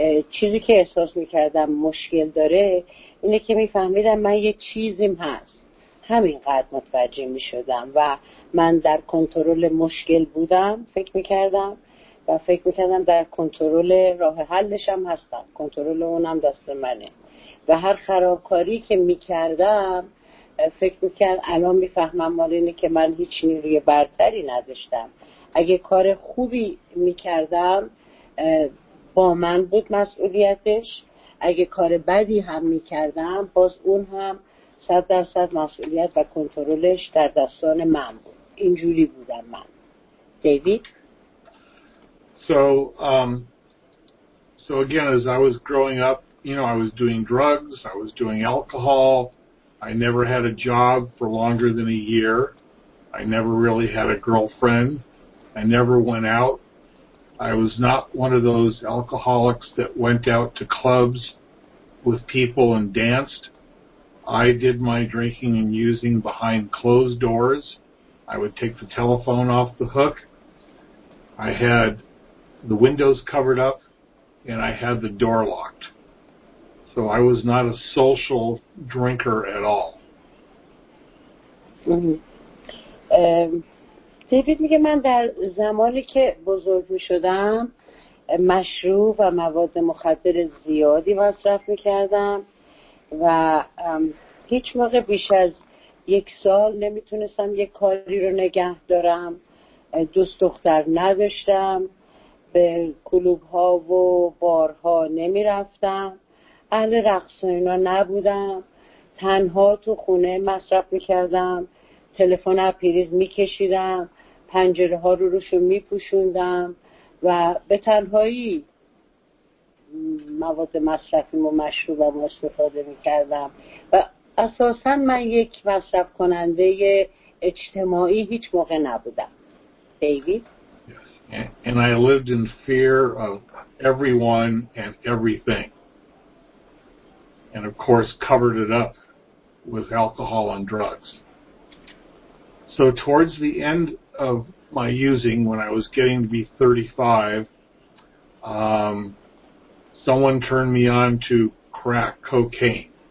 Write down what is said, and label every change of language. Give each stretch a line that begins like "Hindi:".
Persian: چیزی که احساس میکردم مشکل داره اینه که میفهمیدم من یه چیزیم هست همینقدر متوجه میشدم و من در کنترل مشکل بودم فکر میکردم و فکر میکردم در کنترل راه حلشم هستم کنترل اونم دست منه و هر خرابکاری که میکردم فکر میکردم الان میفهمم مال اینه که من هیچ نیروی برتری نداشتم اگه کار خوبی میکردم با من بود مسئولیتش اگه کار بدی هم میکردم باز اون هم 100% مسئولیت و کنترلش در دستان من بود اینجوری بودم من دیوید
English: So again as I was growing up you know I was doing drugs I was doing alcohol I never had a job for longer than a year. I never really had a girlfriend. I never went out. I was not one of those alcoholics that went out to clubs with people and danced. I did my drinking and using behind closed doors. I would take the telephone off the hook. I had the windows covered up, and I had the door locked. So I was not a social drinker at all.
Persian: دیوید میگه من در زمانی که بزرگ میشدم مشروب و مواد مخدر زیادی مصرف میکردم و هیچ موقع بیش از یک سال نمیتونستم یک کاری رو نگه دارم، دوست دختر نداشتم، به کلوب ها و بارها نمیرفتم، اهل رقص و اینا نبودم، تنها تو خونه مصرف میکردم، تلفن ها پریز میکشیدم، پنجره ها رو روشو میپوشوندم و به تنهایی مواد مصرفیم و مشروبم استفاده میکردم و اساسا من یک مصرف کننده اجتماعی هیچ موقع نبودم. دیوید؟
English: Yes. And I lived in fear of everyone and everything. And of course covered it up with alcohol and drugs. So towards the end of my using, when I was getting to be 35, someone turned me on to crack cocaine.